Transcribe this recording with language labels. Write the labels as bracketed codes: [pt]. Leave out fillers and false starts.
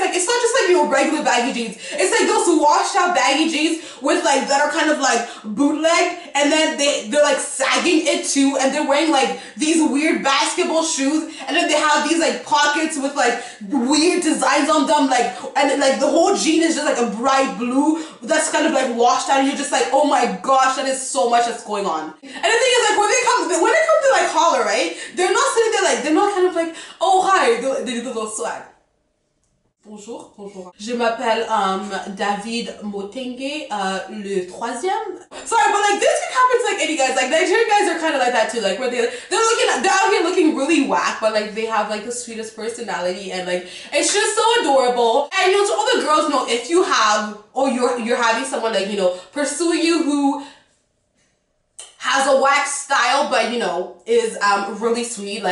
[en] Like it's not just like your regular baggy jeans. It's like those washed out baggy jeans with like that are kind of like bootleg, and then they're like sagging it too, and they're wearing like these weird basketball shoes, and then they have these like pockets with like weird designs on them, like, and like the whole jean is just like a bright blue that's kind of like washed out, and you're just like, oh my gosh, that is so much that's going on. And the thing is, like, when they come to like holler, right, they're not sitting there like, they're not kind of like, oh hi, they do the little swag. [fr] Bonjour, bonjour. Je m'appelle David Motenge, le troisième. [en] Sorry, but like this can happen to like any guys. Like Nigerian guys are kind of like that too. Like where they're out here looking really whack, but like they have like the sweetest personality, and like it's just so adorable. And you know, to all the girls, know if you have or you're having someone like, you know, pursue you who has a whack style, but you know, is really sweet.